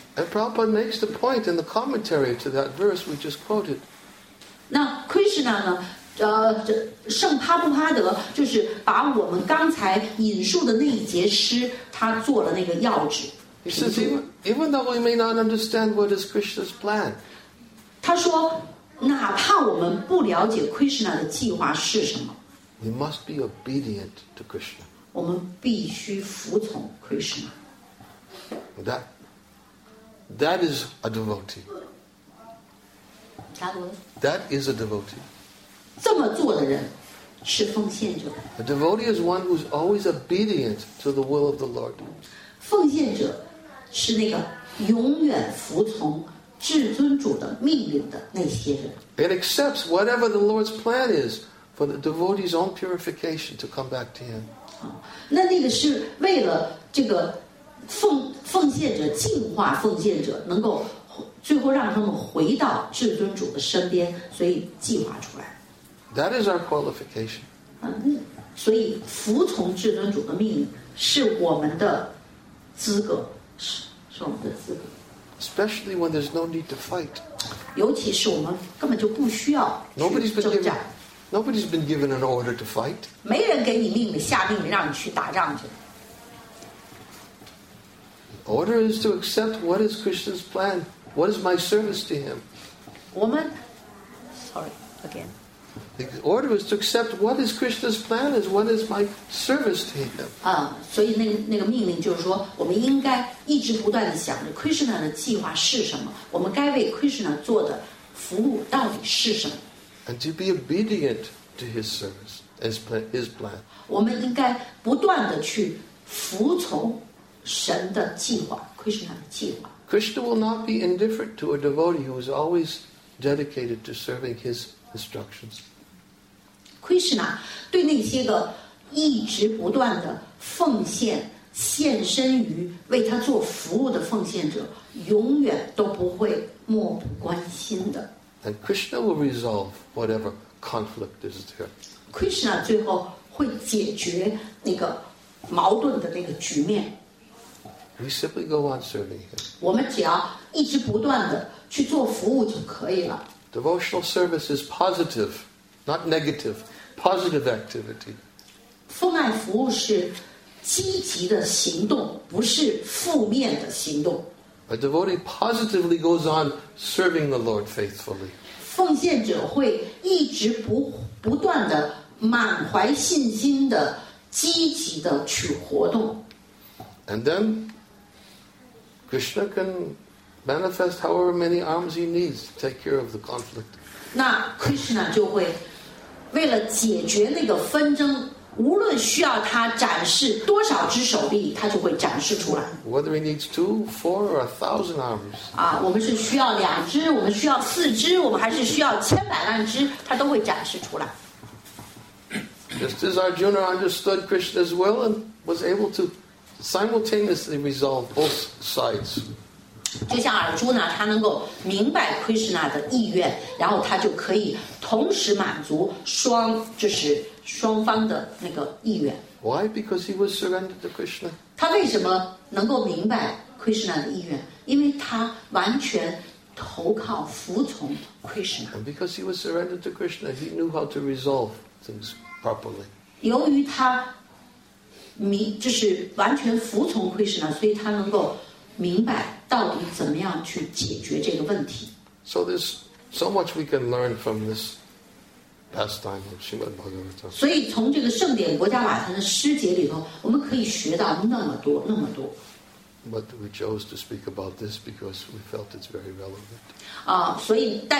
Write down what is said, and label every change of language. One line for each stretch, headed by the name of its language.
English: And Prabhupada makes the point in the commentary to that verse we just quoted.
Chinese: 那 Krishna 呢？圣帕布哈德就是把我们刚才引述的那一节诗，他做了那个要旨。
English: He says, even though we may not understand what is Krishna's plan.
Chinese: 他说哪怕我们不了解 Krishna 的计划是什么，
English: We must be obedient to Krishna.
Chinese: 我们必须服从 Krishna.
English: That is a devotee. That is a devotee.
Chinese: 这么做的人是奉献者。
English: A devotee is one who is always obedient to the will of the Lord.
Chinese: 奉献者是那个永远服从至尊主的命令的那些人。
English: It accepts whatever the Lord's plan is for the devotee's own purification to come back to Him.
Chinese: 那个是为了这个奉献者净化奉献者，能够最后让他们回到至尊主的身边，所以计划出来。
English: That is our qualification.
Chinese: 所以服从至尊主的命令是我们的资格，是我们的资格。
English: Especially when there's no need to fight.
Chinese: 尤其是我们根本就不需要去争战。
English: Nobody's been given an order to fight.
Chinese: 没人给你命令，下命令让你去打仗去。
English: Order is to accept what is Krishna's plan. What is my service to him? The order is to accept what is Krishna's plan is what is my service to him.
Chinese: 所以那个命令就是说，我们应该一直不断地想着 Krishna 的计划是什么，我们该为 Krishna 做的服务到底是什么。
English: And to be obedient to his service, his plan.
Chinese: 我们应该不断地去服从神的计划， Krishna 的计划。
English: Krishna will not be indifferent to a devotee who is always dedicated to serving his instructions.
Chinese: Krishna 对那些个一直不断的奉献、献身于为他做服务的奉献者，永远都不会漠不关心的。
English: And Krishna will resolve whatever conflict is there.
Chinese: Krishna 最后会解决那个矛盾的那个局面。
English: We simply go on serving him.
Chinese: 我们只要一直不断的去做服务就可以了。
English: Devotional service is positive. Not negative, positive activity.
Chinese: 奉爱服务是积极的行动，不是负面的行动。
English: A devotee positively goes on serving the Lord faithfully.
Chinese: 奉献者会一直不断的满怀信心的积极的去活动。
English: And then Krishna can manifest however many arms he needs to take care of the conflict.
Chinese: 那 Krishna 就会为了解决那个纷争，无论需要他展示多少只手臂，他就会展示出来。
English: Whether he needs two, four, or a thousand arms.
Chinese: 我们是需要两只，我们需要四只，我们还是需要千百万只，他都会展示出来。
English: Just as Arjuna understood Krishna's will and was able to simultaneously resolve both sides.
Chinese: 就像尔朱呢, 他能够明白 Krishna 的意愿, 然后他就可以同时满足双, 就是双方的那个意愿。
English: Why? Because he was surrendered to Krishna.
Chinese: 他为什么能够明白 Krishna 的意愿?因为他完全投靠服从 Krishna.
English: And because he was surrendered to Krishna, he knew how to resolve things properly.
Chinese: 由于他完全服从 Krishna, 所以他能够明白到底怎么样去解决这个问题。
English: So there's so much we can learn from this pastime of Srimad Bhagavatam.
Chinese: 所以从这个圣典国家瓦坛的诗节里头, 我们可以学到那么多。
English: But we chose to speak about this because we felt it's very relevant.